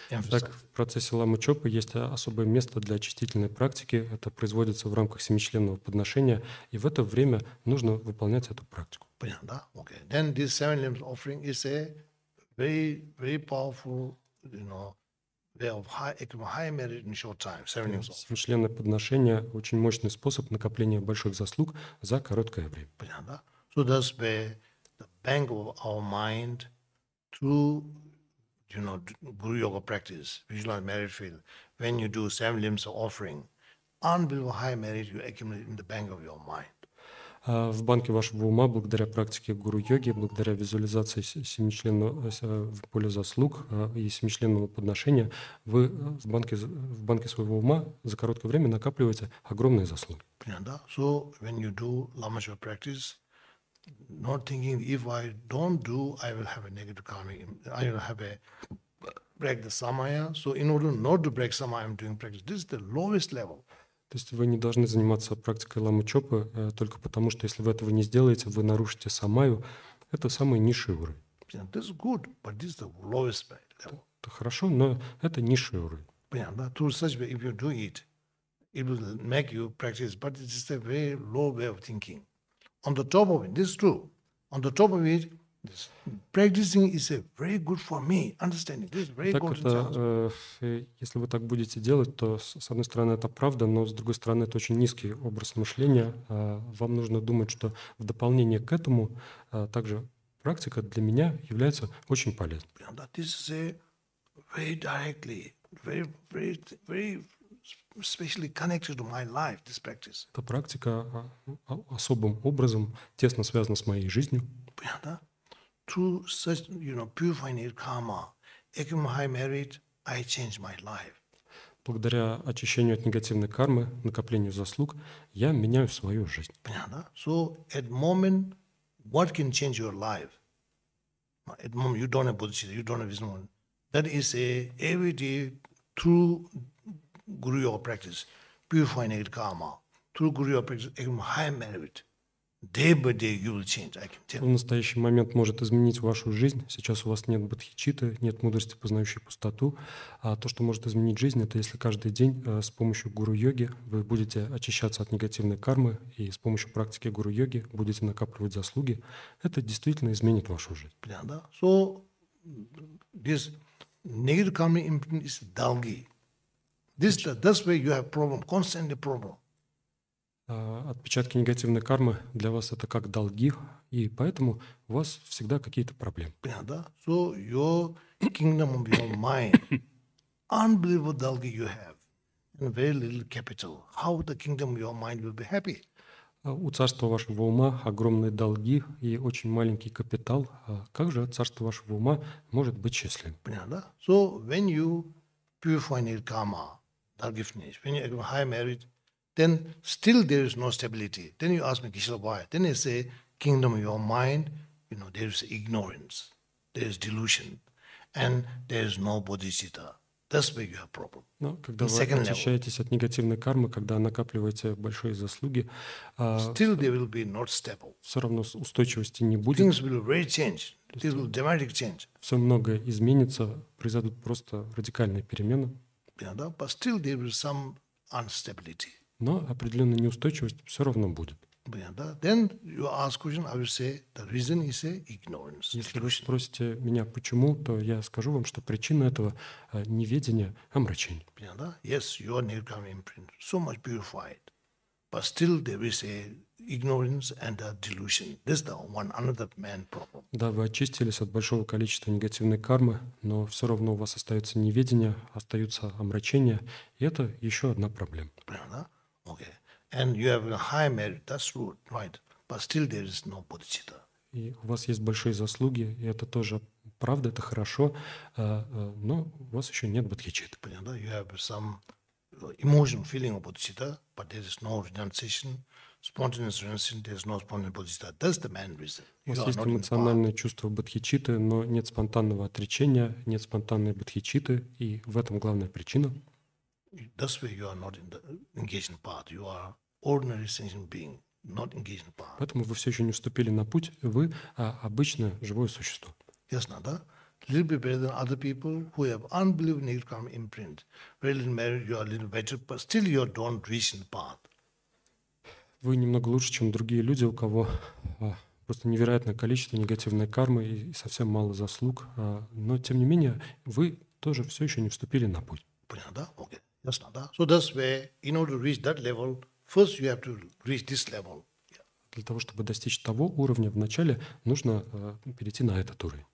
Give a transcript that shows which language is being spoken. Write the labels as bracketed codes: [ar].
[ru] Так, в процессе лама чопы есть особое место для очистительной практики. Это производится в рамках семичленного подношения, и в это время нужно выполнять эту практику. Понятно, да? [en] Okay. Then this seven limbs offering is a very, very powerful, you know, way of high merit in short time. Seven limbs offering. [ru] Семичленное подношение — очень мощный способ накопления больших заслуг за короткое время. Понятно, да? [en] So that's where the bank of our mind through, you know, guru yoga practice, visualize merit field, when you do seven limbs offering, unbelievable high merit you accumulate in the bank of your mind. [ru] В банке вашего ума, благодаря практике гуру-йоги, благодаря визуализации в поле заслуг и семичленного подношения, вы в банке своего ума за короткое время накапливаете огромные заслуги. Понятно, да? [en] So, when you do lama chopa practice, not thinking, if I don't do, I will have a negative karma, I will have a break the samaya. So, in order not to break samaya, I'm doing practice. This is the lowest level. [ru] То есть вы не должны заниматься практикой ламы чопы только потому, что если вы этого не сделаете, вы нарушите самаю. Это самый низший уровень. [en] This is good, but this is the lowest level. [ru] Это хорошо, но это низший уровень. Понятно, да? [en] To such way, if you do it, it will make you practice, but it is a very low way of thinking. On the top of it, this is true. On the top of it, Practicing is a very good for me. Understanding. This is very [ru] так [en] good [ru] это, если вы так будете делать, то с одной стороны это правда, но с другой стороны это очень низкий образ мышления. Вам нужно думать, что в дополнение к этому также практика для меня является очень полезной. [en] This is a very directly, very, very, very especially connected to my life. This practice. [ru] Эта практика особым образом тесно связана с моей жизнью. [en] Through such, you know, purifying karma, accumulating merit, I changed my life. [ru] Благодаря очищению от негативной кармы, накоплению заслуг, я меняю свою жизнь. Понятно? [en] So at moment, what can change your life? At moment, you don't have bodhicitta, you don't have wisdom. That is a everyday through guru yoga practice, purifying karma, through guru yoga practice, accumulating merit. Day by day you will change, I can tell. [ru] В настоящий момент может изменить вашу жизнь. Сейчас у вас нет бодхичитты, нет мудрости, познающей пустоту. А то, что может изменить жизнь, это если каждый день с помощью гуру-йоги вы будете очищаться от негативной кармы и с помощью практики гуру-йоги будете накапливать заслуги. Это действительно изменит вашу жизнь. Понятно, да? [en] So, this negative karma imprint is долги. This, that's where you have problem, constantly problem. [ru] Отпечатки негативной кармы для вас это как долги, и поэтому у вас всегда какие-то проблемы. Понятно, да? [en] So your kingdom of your mind, unbelievable долги you have, and very little capital. How the kingdom of your mind will be happy? [ru] У царства вашего ума огромные долги и очень маленький капитал. Как же царство вашего ума может быть счастливым? Понятно, да? [en] So when you purify your karma, долги finish, when you have high merit, then still there is no stability. Then you ask me, Kishila, why? Then I say, kingdom of your mind, you know, there is ignorance, there is delusion, and there is no bodhicitta. That's where you have problem. [ru] Но когда вы очищаетесь от негативной кармы, когда накапливаете большие заслуги, [en] still there will be not stable. [ru] Все равно устойчивости не будет. [en] Things will really change. This will dramatic change. [ru] Все многое изменится, произойдут просто радикальные перемены. [en] Yeah, да? But still there will be some instability. [ru] Но определенная неустойчивость все равно будет. [en] Then you ask question, I will say the reason is ignorance. [ru] Если вы спросите меня почему, то я скажу вам, что причина этого неведения, омрачение. [en] Yes, your negative imprint so much purified, but still there is a ignorance and a delusion. This is the one another man problem. [ru] Да, вы очистились от большого количества негативной кармы, но все равно у вас остается неведение, остаются омрачения, и это еще одна проблема. [en] Okay, and you have a high merit. That's true, right? But still, there is no bodhicitta. [ru] И у вас есть большие заслуги, и это тоже правда, это хорошо, но у вас еще нет бодхичитты. Понятно? [en] You have some emotional feeling of bodhicitta, but there is no renunciation. Spontaneous renunciation, there is no spontaneous bodhicitta. That's the main reason. [ru] У вас есть эмоциональное чувство бодхичитты, но нет спонтанного отречения, нет спонтанной бодхичитты, и в этом главная причина. [en] That's why you are not in the engaging path. You are ordinary sentient being, not engaging path. [ru] Поэтому вы все еще не вступили на путь. Вы обычное живое существо. [en] Yes, not that. Little bit better than other people who have unbelievable negative karma imprint. Very little merit, you are a little better, but still you don't reach the path. [ru] Вы немного лучше, чем другие люди, у кого просто невероятное количество негативной кармы и совсем мало заслуг. Но тем не менее вы тоже все еще не вступили на путь. Понятно, да? [en] Okay. That's not that. So that's where, in order to reach that level, first you have to reach this level. [ru] Для того, чтобы достичь того уровня, вначале нужно перейти на этот уровень.